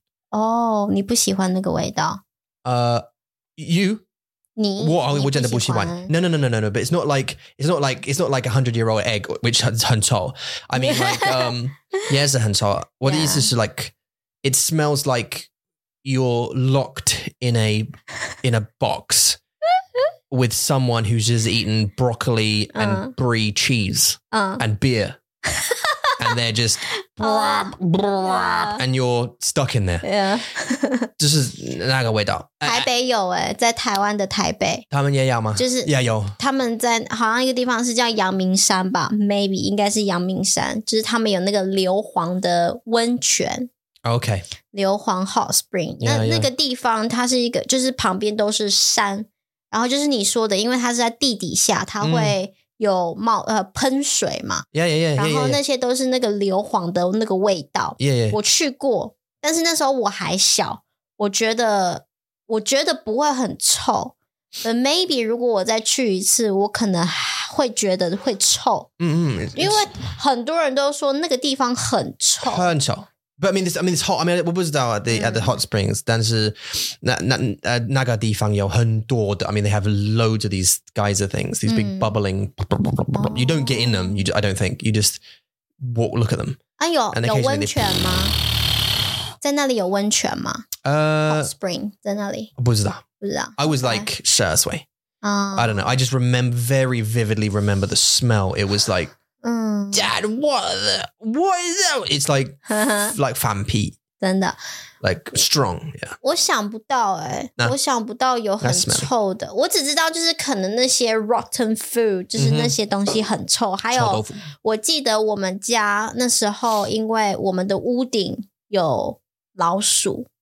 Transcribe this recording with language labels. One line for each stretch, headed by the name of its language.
Chinese: Oh, 你不喜欢那个味道。
English: You?
Chinese: 我真的不喜欢。
English: No. But it's not like a 100-year-old egg, which is
Chinese: 很臭.
English: I mean, like, yes,
Chinese: 很臭.
English: What is this? Like, it smells like you're locked in a box with someone who's just eaten broccoli and brie cheese and beer. And they're just, blah, blah, and you're stuck in there. Yeah.
Chinese: 就是那个味道。台北有耶，在台湾的台北。他们也有吗？就是。也有。他们在好像一个地方是叫阳明山吧 ,
English: maybe,
Chinese: 应该是阳明山。就是他们有那个硫磺的温泉。
English: Okay. 硫磺 hot spring.
Chinese: 那个地方它是一个就是旁边都是山。然后就是你说的因为它是在地底下它会。有冒喷水嘛
English: yeah,
Chinese: 然后那些都是那个硫磺的那个味道
English: yeah.
Chinese: 我去过但是那时候我还小我觉得不会很臭
English: but maybe
Chinese: 如果我再去一次我可能会觉得会臭 因为很多人都说那个地方很臭
English: 很臭 but I mean it's hot I mean
Chinese: 我不知道
English: at the hot springs
Chinese: 但是那个地方有很多的
English: I mean they have loads of these geyser things, these big bubbling, you don't get in them, I don't think, you just walk, look at them.
Chinese: 有温泉吗？在那里有温泉吗？
English: Hot spring,
Chinese: 在那里。不知道。
English: I was like,
Chinese: 十二岁。
English: I don't know, I just remember, very vividly remember the smell, it was like, Dad, what is that? It's like, like 反屁。
Chinese: 真真的。
English: Like strong, yeah.
Chinese: 我想不到耶、欸
English: nah,
Chinese: 我想不到有很臭的。我只知道就是可能那些
English: rotten food,
Chinese: 就是那些东西很臭。Mm-hmm. 还有我记得我们家那时候因为我们的屋顶有老鼠。